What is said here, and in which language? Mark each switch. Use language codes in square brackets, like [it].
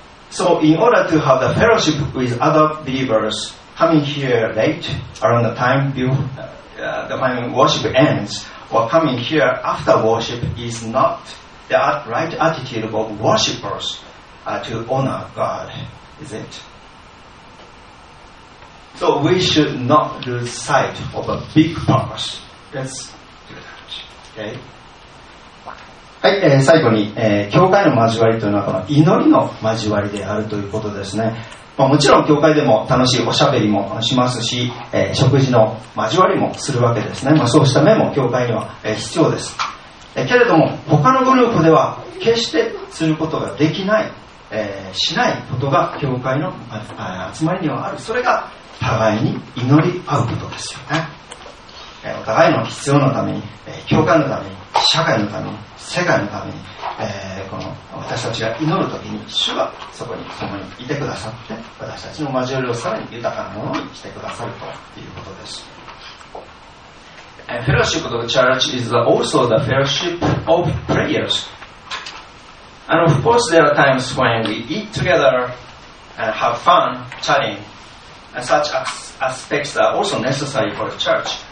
[en] So in order to have the fellowship with other believers coming here late, around the time the time worship ends, or coming here after worship is not the right attitude of worshippers to honor God, is it? So we should not lose sight of a big purpose. Let's. Okay. [ja] はい、最後に、教会の交わりというのはこの祈りの交わりであるということですね。まあ、もちろん教会でも楽しいおしゃべりもしますし、食事の交わりもするわけですね。まあ、そうした面も教会には、必要です。けれども他のグループでは決してすることができないしないことが教会の集まりにはある。それが互いに祈り合うことですよね。お互いの必要のために、教会のために、社会のために、世界のために、この私たちが祈るときに主はそこに共にいてくださって、私たちの交わりをさらに豊かなものにしてくださるということです。 [en] Fellowship of the church is also the fellowship of prayers. And of course, there are times when we eat together and have fun, chatting, and such aspects are also necessary for the church.